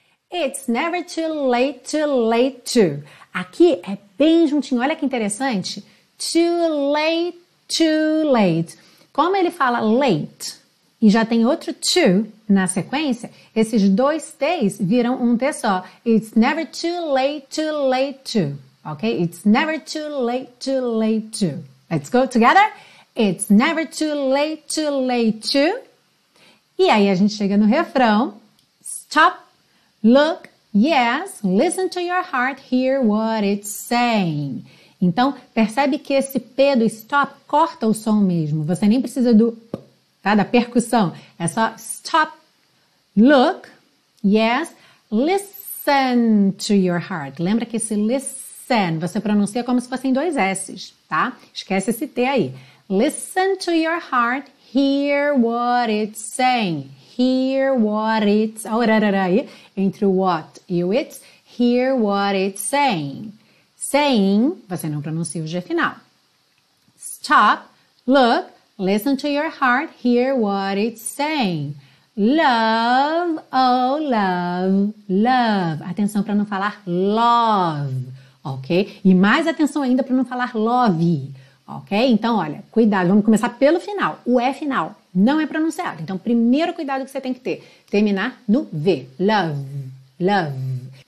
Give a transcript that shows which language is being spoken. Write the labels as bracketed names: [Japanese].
[English] It's never too late to late to. [Portuguese] Aqui é bem juntinho, olha que interessante. [English] Too late, too late. [Portuguese] Como ele fala late e já tem outro to na sequência, esses dois T's viram um T só. [English] It's never too late to late to. Ok? It's never too late to late to. Let's go together. It's never too late to late to. [Portuguese] E aí a gente chega no refrão. [English] Stop. Look, yes, listen to your heart, hear what it's saying. [Portuguese] Então, percebe que esse P do stop corta o som mesmo. Você nem precisa do, tá, da percussão. É só [English] stop, look, yes, listen to your heart. [Portuguese] Lembra que esse listen, você pronuncia como se fossem dois S's, tá? Esquece esse T aí. [English] Listen to your heart, hear what it's saying. Hear what it's... [Portuguese] entre o what e o it's. [English] Hear what it's saying. [Portuguese] Saying, você não pronuncia o G final. [English] Stop, look, listen to your heart, hear what it's saying. Love, oh love, love. [Portuguese] Atenção para não falar love, ok? E mais atenção ainda para não falar love, ok? Então, olha, cuidado, vamos começar pelo final, o E final. Não é pronunciado. Então, primeiro cuidado que você tem que ter. Terminar no V. Love. Love.